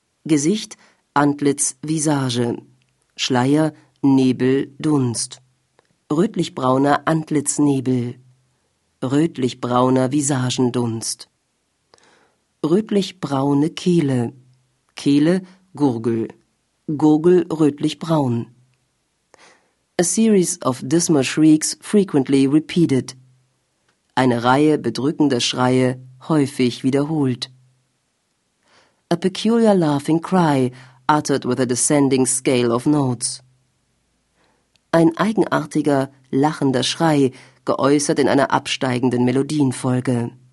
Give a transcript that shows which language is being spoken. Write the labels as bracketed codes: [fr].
[de] Gesicht, Antlitz, Visage. Schleier, Nebel, Dunst. Rötlich-brauner Antlitznebel, rötlich-brauner Visagendunst, rötlich-braune Kehle, Kehle, Gurgel, Gurgel rötlich-braun. [en] A series of dismal shrieks frequently repeated. [de] Eine Reihe bedrückender Schreie häufig wiederholt. [en] A peculiar laughing cry uttered with a descending scale of notes. [de] Ein eigenartiger, lachender Schrei, geäußert in einer absteigenden Melodienfolge.